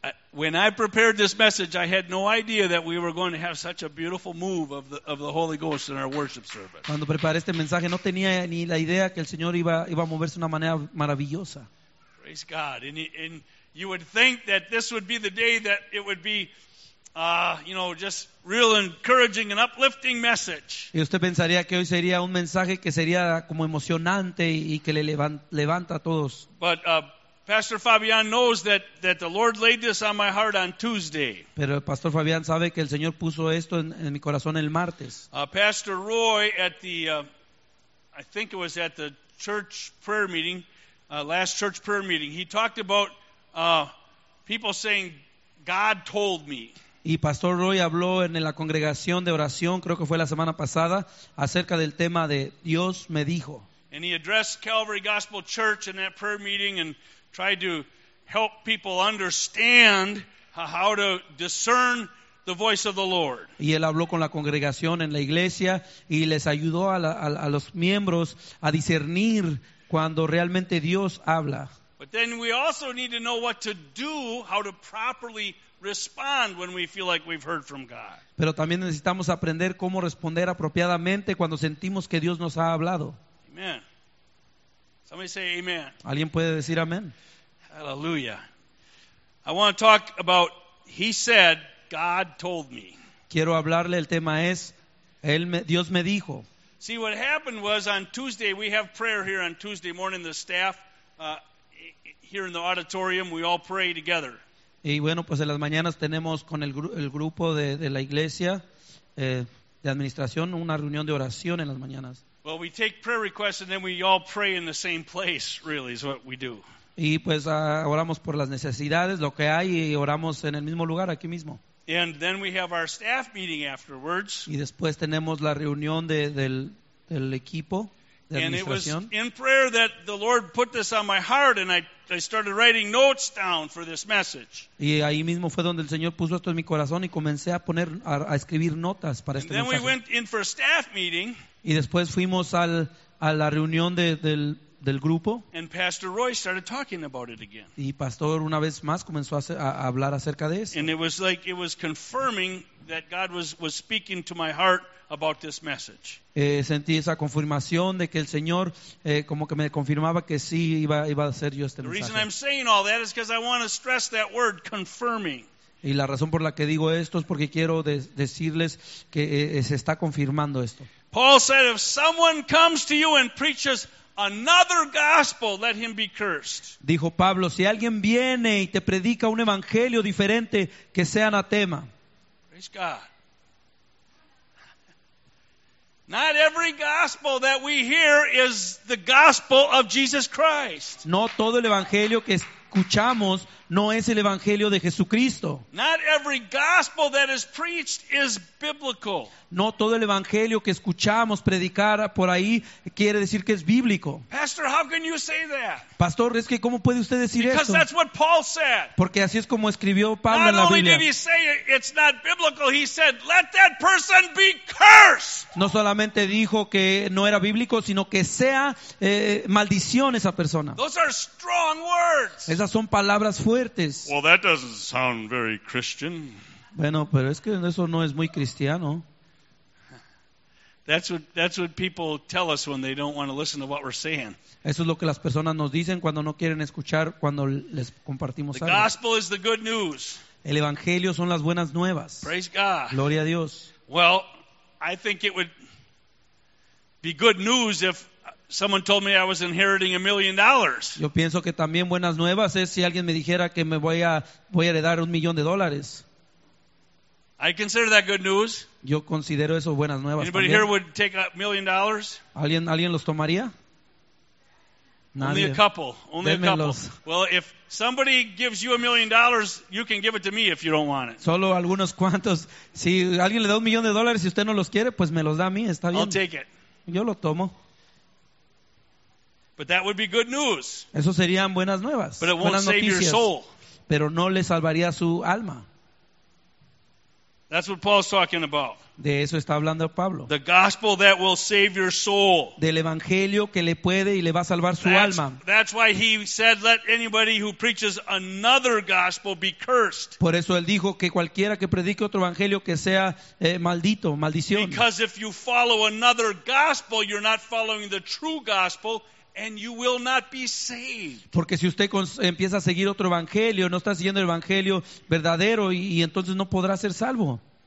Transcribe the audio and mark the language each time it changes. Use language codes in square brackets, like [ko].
[en] When I prepared this message, I had no idea that we were going to have such a beautiful move of the Holy Ghost in our worship service. [es] Cuando preparé este mensaje, no tenía ni la idea que el Señor iba a moverse de una manera maravillosa. [en] Praise God. And you would think that this would be the day that it would be just real encouraging and uplifting message. [es] Y usted pensaría que hoy sería un mensaje que sería como emocionante y que le levanta a todos. [en] But Pastor Fabian knows that the Lord laid this on my heart on Tuesday. [es] Pero el Pastor Fabian sabe que el Señor puso esto en mi corazón el martes. [en] Pastor Roy at the, I think it was at the church prayer meeting, last church prayer meeting, he talked about people saying, God told me. [es] Y Pastor Roy habló en la congregación de oración, creo que fue la semana pasada, acerca del tema de Dios me dijo. [en] And he addressed Calvary Gospel Church in that prayer meeting and tried to help people understand how to discern the voice of the Lord. [es] Y él habló con la congregación en la iglesia y les ayudó a los miembros a discernir cuando realmente Dios habla. [en] But then we also need to know what to do, how to properly respond when we feel like we've heard from God. [es] Pero también necesitamos aprender cómo responder apropiadamente cuando sentimos que Dios nos ha hablado. [en] Amen. Somebody say amen. [es] ¿Alguien puede decir amén? [en] Hallelujah. I want to talk about, he said, God told me. [es] Quiero hablarle, el tema es, Dios me dijo. [en] See, what happened was on Tuesday, we have prayer here on Tuesday morning, the staff here in the auditorium, we all pray together. [es] Y bueno, pues en las mañanas tenemos con el grupo de la iglesia de administración una reunión de oración en las mañanas. [en] Well, we take prayer requests and then we all pray in the same place, really, is what we do. [es] Y pues oramos por las necesidades, lo que hay, y oramos en el mismo lugar, aquí mismo. [en] And then we have our staff meeting afterwards. [es] Y después tenemos la reunión del equipo de administración. [en] And it was in prayer that the Lord put this on my heart and I started writing notes down for this message. [es] Y ahí mismo fue donde el Señor puso esto en mi corazón y comencé a poner a escribir notas para este mensaje. [en] And then we went in for a staff meeting. [es] Y después fuimos a la reunión del grupo. [en] And Pastor Roy started talking about it again. [es] Y Pastor una vez más comenzó a hablar acerca de eso. [en] And it was like it was confirming that God was speaking to my heart about this message. [es] Sentí esa confirmación de que el Señor como que me confirmaba que sí iba a hacer yo este mensaje. [en] The reason I'm saying all that is because I want to stress that word, confirming. [es] Y la razón por la que digo esto es porque quiero decirles que se está confirmando esto. [en] Paul said, if someone comes to you and preaches another gospel, let him be cursed. [es] Dijo Pablo, si alguien viene y te predica un evangelio diferente, que sea anatema. [en] Praise God. Not every gospel that we hear is the gospel of Jesus Christ. [es] No todo el evangelio que escuchamos no es el evangelio de Jesucristo. [en] Not every gospel that is preached is biblical. [es] No todo el evangelio que escuchamos predicar por ahí quiere decir que es bíblico. [en] Pastor, how can you say that? [es] Pastor, es que ¿cómo puede usted decir eso? [en] Because that's what Paul said. [es] Porque así es como escribió Pablo en la Biblia. [en] Not only did he say it's not biblical, he said, let that person be cursed. [es] No solamente dijo que no era bíblico, sino que sea maldición esa persona. [en] Those are strong words. [es] Esas son palabras fuertes. [en] Well, that doesn't sound very Christian. [es] Bueno, pero es que eso no es muy cristiano. [en] That's what people tell us when they don't want to listen to what we're saying. [es] Eso es lo que las personas nos dicen cuando no quieren escuchar cuando les compartimos algo. [en] The gospel is the good news. [es] El evangelio son las buenas nuevas. [en] Praise God. [es] Gloria a Dios. [en] Well, I think it would be good news if someone told me I was inheriting $1 million. [es] Yo pienso que también buenas nuevas es si alguien me dijera que me voy a heredar $1 million. [en] I consider that good news. [es] Yo considero eso buenas nuevas. [en] Anybody [es] también. [en] Here would take $1 million? [es] ¿Alguien los tomaría? Nadie. [en] Only a couple. Only [es] Démelos. [en] A couple. Well, if somebody gives you $1 million, you can give it to me if you don't want it. [es] Solo algunos cuantos. Si alguien le da $1 million y usted no los quiere, pues me los da a mí. Está bien. [en] I'll take it. [es] Yo lo tomo. [en] But that would be good news. [es] Eso serían buenas nuevas. [en] But it won't [es] buenas [en] save [es] noticias. [en] Your soul. [es] Pero no le salvaría su alma. [en] That's what Paul's talking about. [es] De eso está hablando Pablo. [en] The gospel that will save your soul. [es] Del evangelio que le puede y le va a salvar su alma. [en] That's why he said, let anybody who preaches another gospel be cursed. [es] Por eso él dijo que cualquiera que predique otro evangelio que sea maldito, maldición. [en] Because if you follow another gospel, you're not following the true gospel. And you will not be saved. [es] Porque si usted empieza a seguir otro evangelio, no está siguiendo el evangelio verdadero, y entonces no podrá ser salvo.